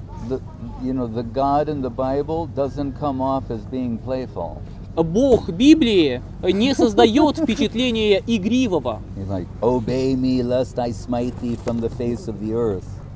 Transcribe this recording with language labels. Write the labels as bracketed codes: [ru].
[en] The God in the Bible doesn't come off as being playful. [ru] Бог Библии не создает впечатления игривого. [en] He's like, obey me, lest I smite thee from the face of the earth.